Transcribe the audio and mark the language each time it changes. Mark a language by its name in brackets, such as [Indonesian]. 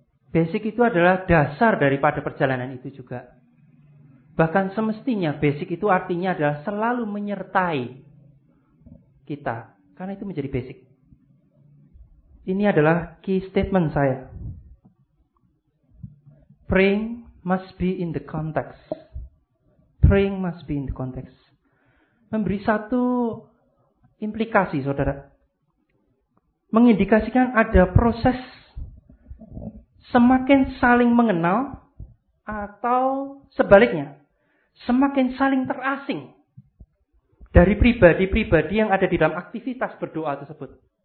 [Indonesian] Basic itu adalah dasar daripada perjalanan itu juga. Bahkan semestinya basic itu artinya adalah selalu menyertai kita. Karena itu menjadi basic. Ini adalah [English] key statement [Indonesian] saya. [English] Praying must be in the context. Praying must be in the context. [Indonesian] Memberi satu implikasi, saudara. Mengindikasikan ada proses semakin saling mengenal atau sebaliknya. Semakin saling terasing dari pribadi-pribadi yang ada di dalam aktivitas berdoa tersebut.